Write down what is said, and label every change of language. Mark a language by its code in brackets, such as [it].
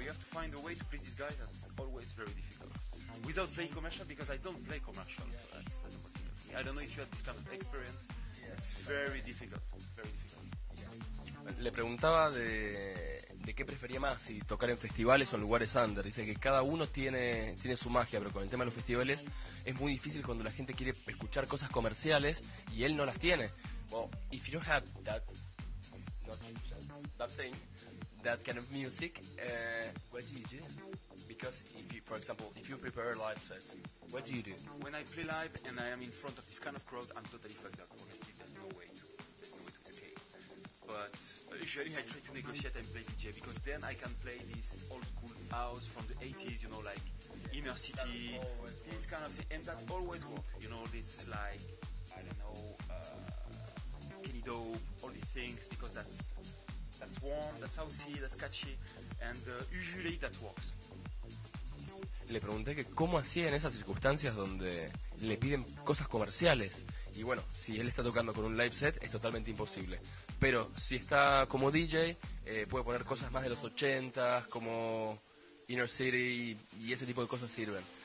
[en] You have to find a way to please these guys, that's always very difficult. Without playing commercial, because I don't play commercial, so that's a possibility. I don't know if you had this kind of experience. It's very difficult. Very difficult. [es] Le preguntaba de qué prefería más, si tocar en festivales o en lugares under. Dice que cada uno tiene su magia, pero con el tema de los festivales es muy difícil cuando la gente quiere escuchar cosas comerciales y él no las tiene. [en] Well, if you don't have that thing, that kind of music, what do you do? Because if you, for example, if you prepare live sets, what do you do? When I play live and I am in front of this kind of crowd, I'm totally fucked up. Obviously, there's no way to escape. But usually I try to negotiate and play DJ, because then I can play this old school house from the 80s, you know, like Inner City, this kind of thing, and that always works. You know, this like, I don't know, Kenny Dope, all these things, because that's warm, that's housey, that's catchy, and usually that works. [es] Le pregunté que cómo hacía en esas circunstancias donde le piden cosas comerciales. Y bueno, si él está tocando con un live set, es totalmente imposible. Pero si está como DJ, puede poner cosas más de los 80s, como Inner City, y ese tipo de cosas sirven.